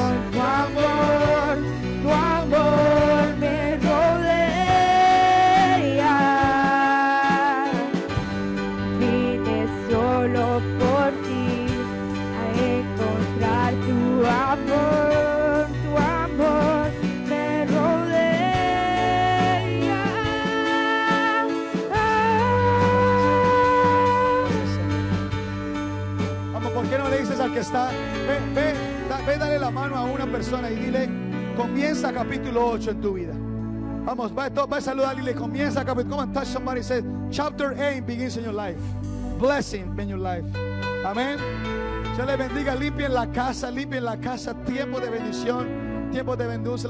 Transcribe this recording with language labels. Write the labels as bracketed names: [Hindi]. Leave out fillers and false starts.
[Spanish] Tu amor me rodea, vine solo por ti a encontrar tu amor me rodea. Ah. Vamos, ¿por qué no le dices al que está? Ve, dale la mano a una persona y dile, comienza capítulo 8 en tu vida. Vamos, va a saludar y le comienza capítulo. [English] Come on, touch somebody and say, chapter 8 begins in your life. Blessing in your life. Amén. [Spanish] Se le bendiga, limpien la casa, tiempo de bendición, tiempo de bendición.